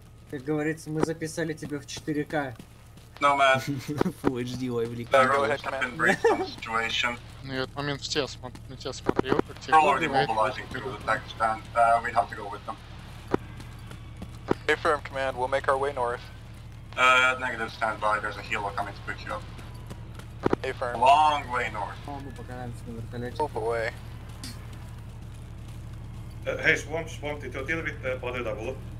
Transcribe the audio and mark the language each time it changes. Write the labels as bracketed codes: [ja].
[ru] Как говорится, мы записали тебя в 4К. [en] No, man. Full HD live leak. Yeah, really had to be in some situation. [ru] Ну, я в момент в тебя смотрю, на тебя смотрю, как тебе... [en] We're already mobilizing to the attack stand. We have to go with them. Hey, firm command, we'll make our way north. Negative, standby, there's a helo coming to pick you up. Hey, firm. Long way north. Both away. Hey, Swamp, did you deal with the body double?